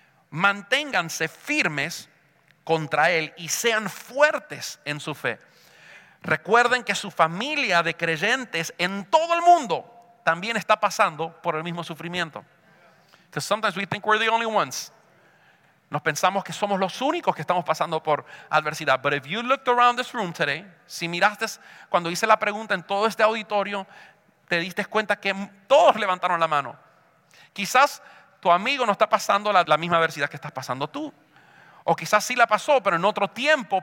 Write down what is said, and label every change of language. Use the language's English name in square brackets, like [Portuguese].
[Spanish] Manténganse firmes contra él y sean fuertes en su fe. Recuerden que su familia de creyentes en todo el mundo también está pasando por el mismo sufrimiento. [English] Because sometimes we think we're the only ones. [Spanish] Nos pensamos que somos los únicos que estamos pasando por adversidad. [English] But if you looked around this room today, [Spanish] si miraste cuando hice la pregunta en todo este auditorio, te diste cuenta que todos levantaron la mano. Quizás Tu amigo no está pasando la misma adversidad que estás pasando tú. O quizás sí la pasó, pero en otro tiempo.